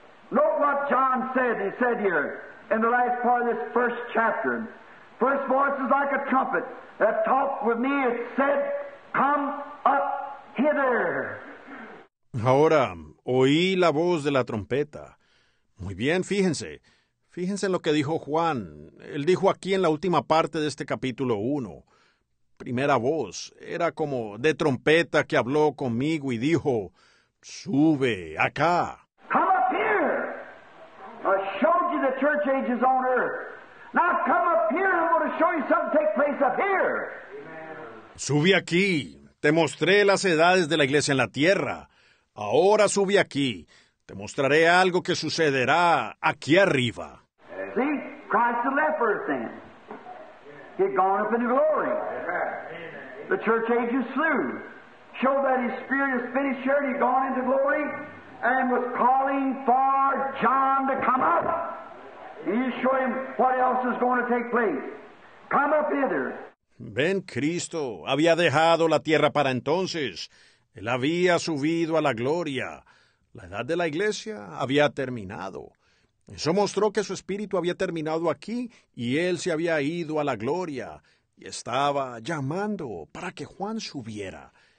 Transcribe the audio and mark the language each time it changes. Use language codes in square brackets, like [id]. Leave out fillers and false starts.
[en] Note what John said. He said here, in the last part of this first chapter. First voice is like a trumpet that talked with me. It said, come up hither. [es] Ahora, oí la voz de la trompeta. Muy bien, fíjense. Fíjense en lo que dijo Juan. Él dijo aquí en la última parte de este capítulo 1. Primera voz. Era como de trompeta que habló conmigo y dijo, sube acá. [en] Come up here. I showed you the church ages on earth. Now come up here. I'm going to show you something take place up here. [es] Sube aquí. Te mostré las edades de la iglesia en la tierra. Ahora sube aquí. Te mostraré algo que sucederá aquí arriba. [en] See, Christ had left earth then. He had gone up into glory. The church age is through. Showed that his spirit is finished here, and he had gone into glory, and was calling for John to come up. And he'd show him what else is going to take place. Come up hither. [es] Ven, Cristo había dejado la tierra para entonces. Él había subido a la gloria. La edad de la iglesia había terminado. Eso mostró que su espíritu había terminado aquí y él se había ido a la gloria y estaba llamando para que Juan subiera.